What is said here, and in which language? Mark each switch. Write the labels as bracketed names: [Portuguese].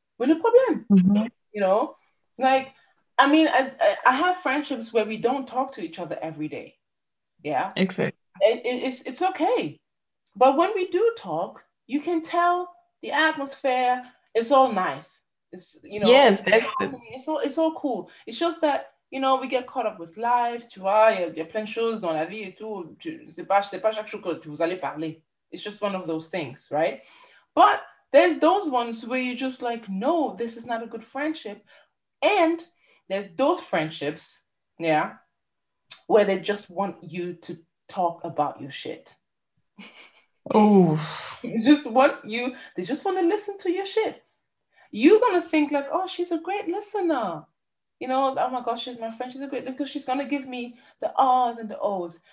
[English] What's the problem? You know, like, I mean, I have friendships where we don't talk to each other every day. Yeah. Exactly. It's okay. But when we do talk, you can tell the atmosphere is all nice. It's, you know, yes, it's all cool. It's just that, you know, we get caught up with life. [French] Tu vois, y a plein de choses dans la vie et tout. C'est pas chaque chose que vous allez parler. [English] It's just one of those things, right? But there's those ones where you're just like, no, this is not a good friendship. And there's those friendships, yeah, where they just want you to talk about your shit. Oh, they just want to listen to your shit. You're gonna think like, oh, she's a great listener, you know, oh my gosh, she's my friend, she's a great, because she's gonna give me the R's and the O's.